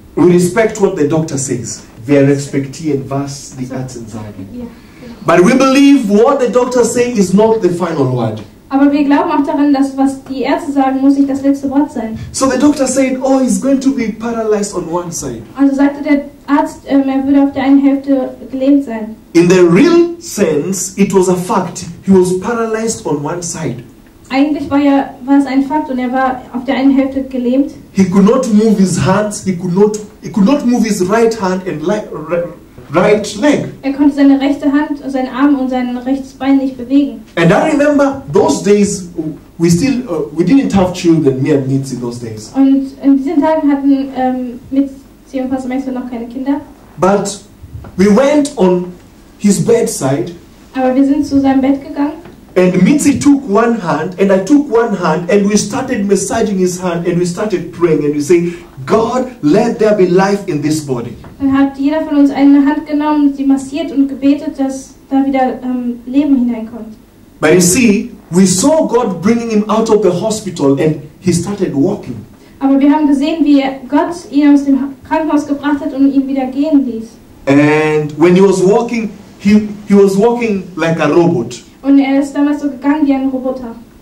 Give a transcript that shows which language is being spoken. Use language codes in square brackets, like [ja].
[en] We respect what the doctor says. [de] Wir respektieren, was die Ärzte sagen. [en] But we believe what the doctor says is not the final word. [de] Aber wir glauben auch daran, dass was die Ärzte sagen, muss nicht das letzte Wort sein. [en] So the doctor said, oh, he's going to be paralyzed on one side. [de] Also sagte der Arzt, er würde auf der einen Hälfte gelähmt sein. [en] In the real sense, it was a fact. He was paralyzed on one side. [de] Eigentlich war es ein Fakt und er war auf der einen Hälfte gelähmt. [en] He could not move his hands. He could not move his right hand and right leg. [de] Er konnte seine rechte Hand, seinen Arm und sein rechtes Bein nicht bewegen. [en] And I remember those days we didn't have children, me and Mitzi, those days. [de] Und in diesen Tagen hatten Mitzi und Pastor Maxwell noch keine Kinder. [en] But we went on his bedside. [de] Aber wir sind zu seinem Bett gegangen. [en] And Mitzi took one hand and I took one hand and we started massaging his hand and we started praying and we say, God, let there be life in this body. [de] Dann hat jeder von uns eine Hand genommen, sie massiert und gebetet, dass da wieder Leben hineinkommt. [en] But you see, we saw God bringing him out of the hospital and he started walking. [de] Aber wir haben gesehen, wie Gott ihn aus dem Krankenhaus gebracht hat und ihn wieder gehen ließ. [en] And when he was walking, he was walking like a robot. [de] Und er ist damals so gegangen wie ein Roboter.